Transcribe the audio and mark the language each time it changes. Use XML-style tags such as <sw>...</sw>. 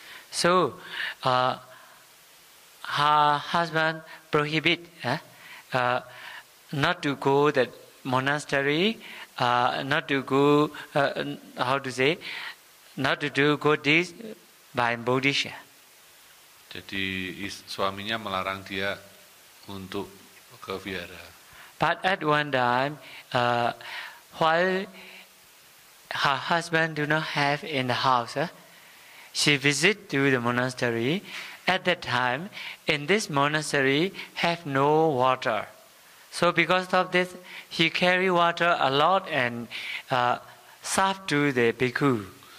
<en>So, her husband prohibit not to go to the monastery, not to go, how to say, not to do good deeds by Buddhism.</en> <id>Jadi suaminya melarang dia untuk ke vihara.</id> <en>But at one time, while her husband do not have in the house, she visit to the monastery. At that time, in this monastery have no water. So because of this, he carry water a lot and serve to the bhikkhu.</en>